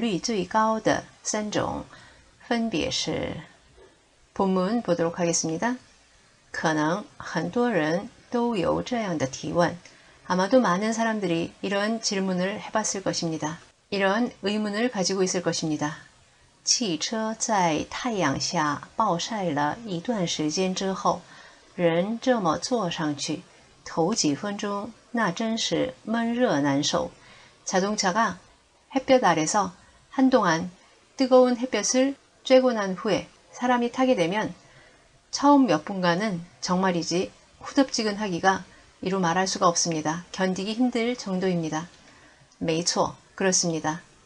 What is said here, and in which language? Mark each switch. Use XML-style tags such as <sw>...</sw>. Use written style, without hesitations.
<zh>发现使用频率最高的三种分别是</zh> <ko>본문 보도록 하겠습니다.</ko> <zh>可能很多人都有这样的提问.</zh> <ko>아마도 많은 사람들이 이런 질문을 해봤을 것입니다. 이런 의문을 가지고 있을 것입니다.</ko> <zh>汽车在太阳下暴晒了一段时间之后，人这么坐上去，头几分钟那真是闷热难受。</zh> <ko>자동차가 햇볕 아래서 한동안 뜨거운 햇볕을 쬐고 난 후에 사람이 타게 되면 처음 몇 분간은 정말이지 후덥지근하기가 이루 말할 수가 없습니다. 견디기 힘들 정도입니다.</ko> <zh>没错,</zh> <ko>그렇습니다.</ko>